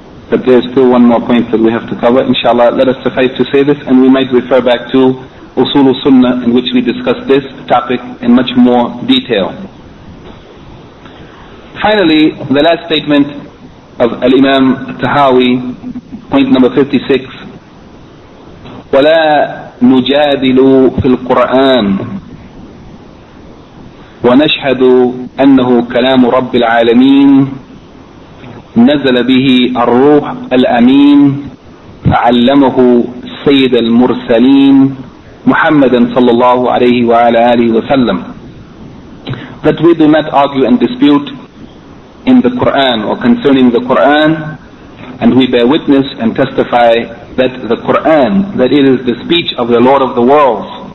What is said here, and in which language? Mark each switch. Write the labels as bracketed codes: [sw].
[en] But there's still one more point that we have to cover. Inshallah, let us suffice to say this, and we might refer back to Usul al-Sunnah, in which we discuss this topic in much more detail. Finally, the last statement of Al-Imam Tahawi, point number 56, [ar] وَلَا نُجَادِلُ فِي الْقُرْآنِ وَنَشْهَدُ أَنَّهُ كَلَامُ رَبِّ الْعَالَمِينَ نَزَلَ بِهِ الْرُوحُ الْأَمِينُ فَعَلَّمَهُ سَيِّدَ الْمُرْسَلِينَ مُحَمَّدًا صَلَّى اللَّهُ عَلَيْهِ وَعَلَى آلِهِ وَسَلَّمَ. [en] That we do not argue and dispute in the Qur'an or concerning the Qur'an, and we bear witness and testify that the Qur'an, that it is the speech of the Lord of the worlds.